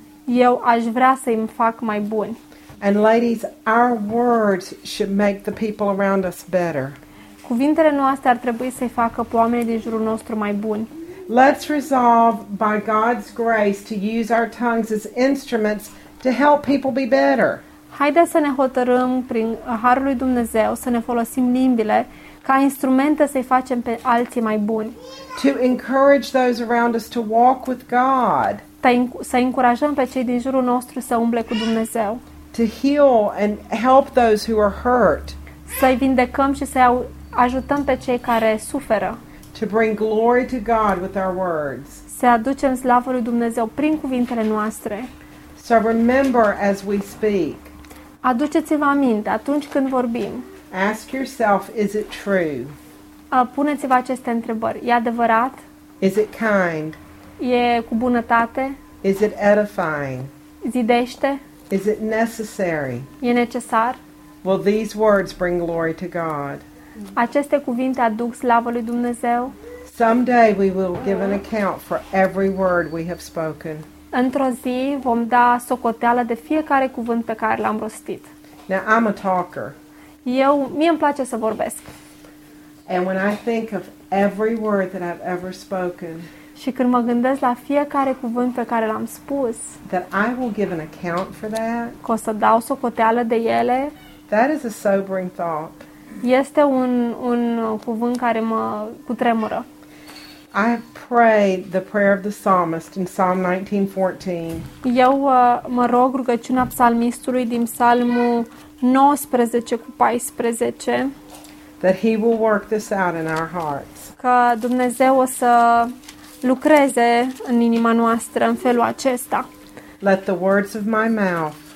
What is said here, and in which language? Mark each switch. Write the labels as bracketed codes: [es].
[ro] Eu aș vrea să îmi fac mai buni. [en] And ladies, our words should make the people around us better. [ro] Cuvintele noastre ar trebui să-i facă pe oamenii din jurul nostru mai buni. [en] Let's resolve by God's grace to use our tongues as instruments to help people be better. [ro] Haideți să ne hotărâm prin harul lui Dumnezeu să ne folosim limbile ca instrumente să-i facem pe alții mai buni. [en] To encourage those around us to walk with God. [ro] Să încurajăm pe cei din jurul nostru să umble cu Dumnezeu. [en] To heal and help those who are hurt. [ro] Să-i vindecăm și să-i ajutăm pe cei care suferă. [en] To bring glory to God with our words. [ro] Să aducem slavă lui Dumnezeu prin cuvintele noastre. [en] So remember as we speak. [ro] Aduceți-vă aminte atunci când vorbim. [en] Ask yourself, is it true? [ro] Puneți-vă aceste întrebări. E adevărat? [en] Is it kind? [ro] E cu bunătate? [en] Is it edifying? [ro] Zidește? [en] Is it necessary? [ro] E necesar? [en] Will these words bring glory to God? [ro] Aceste cuvinte aduc slavă lui Dumnezeu? [en] Someday we will give an account for every word we have spoken. [ro] Într-o zi vom da socoteală de fiecare cuvânt pe care l-am rostit. [en] Now I'm a talker. [ro] Mie îmi place să vorbesc. [en] And when I think of every word that I've ever spoken, [ro] și când mă gândesc la fiecare cuvânt pe care l-am spus, [en] that I will give an account for that, [ro] că o să dau socoteală de ele, [en] that is a sobering thought. [ro] Este un cuvânt care mă cutremură. [en] I pray the prayer of the psalmist in Psalm 19:14. [ro] Eu mă rog rugăciunea psalmistului din Psalmul 19:14. [en] That he will work this out in our hearts. [ro] Că Dumnezeu o să lucreze în inima noastră în felul acesta. [en] Let the words of my mouth.